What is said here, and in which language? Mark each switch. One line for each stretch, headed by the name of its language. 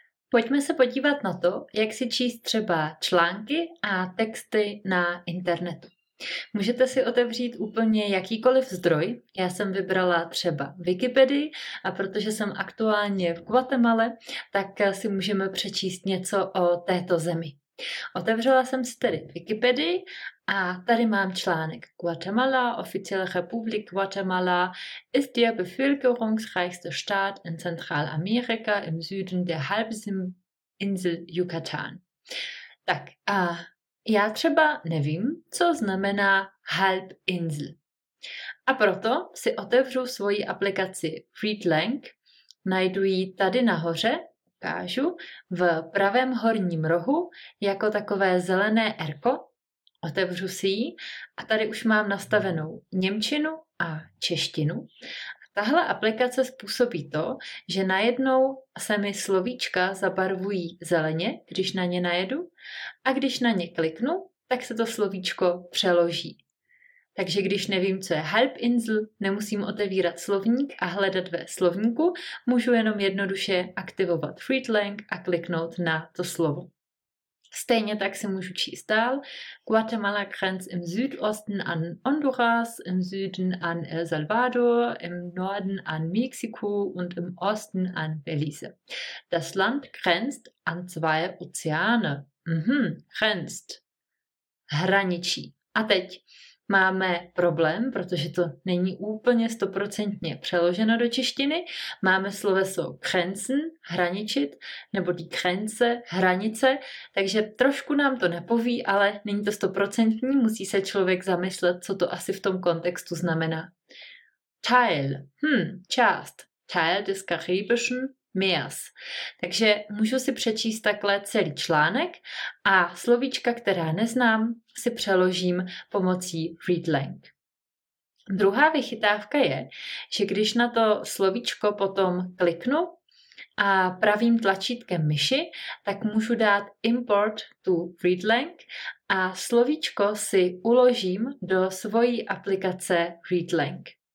Czech: Pojďme se podívat na to, jak si číst třeba články a texty na internetu. Můžete si otevřít úplně jakýkoliv zdroj. Já jsem vybrala třeba Wikipedii a protože jsem aktuálně v Guatemale, tak si můžeme přečíst něco o této zemi. Otevřela jsem si tedy Wikipedii a tady mám článek
German: Guatemala, offizielle Republik Guatemala, ist der bevölkerungsreichste Staat in Zentralamerika im Süden der Halbinsel Yucatan.
Czech: Tak a já třeba nevím, co znamená Halbinsel. A proto si otevřu svoji aplikaci ReadLang, najdu ji tady nahoře, ukážu, v pravém horním rohu, jako takové zelené R-ko, otevřu si ji a tady už mám nastavenou němčinu a češtinu. Tahle aplikace způsobí to, že najednou se mi slovíčka zabarvují zeleně, když na ně najedu, a když na ně kliknu, tak se to slovíčko přeloží. Takže když nevím, co je Halbinsel, nemusím otevírat slovník a hledat ve slovníku, můžu jenom jednoduše aktivovat ReadLang a kliknout na to slovo. Stejně tak si můžu číst dál.
German: Guatemala grenzt im Südosten an Honduras, im Süden an El Salvador, im Norden an Mexiko und im Osten an Belize. Das Land grenzt an zwei Ozeane. Grenzt. Hraničí.
Czech: A teď máme problém, protože to není úplně stoprocentně přeloženo do češtiny. Máme sloveso grenzen, hraničit, nebo die Grenze, hranice, takže trošku nám to nepoví, ale není to stoprocentní, musí se člověk zamyslet, co to asi v tom kontextu znamená.
German: Teil, část, Teil des karibischen Meers.
Czech: Takže můžu si přečíst takhle celý článek a slovíčka, která neznám, si přeložím pomocí ReadLang. Druhá vychytávka je, že když na to slovíčko potom kliknu a pravým tlačítkem myši, tak můžu dát import to ReadLang a slovíčko si uložím do svojí aplikace ReadLang.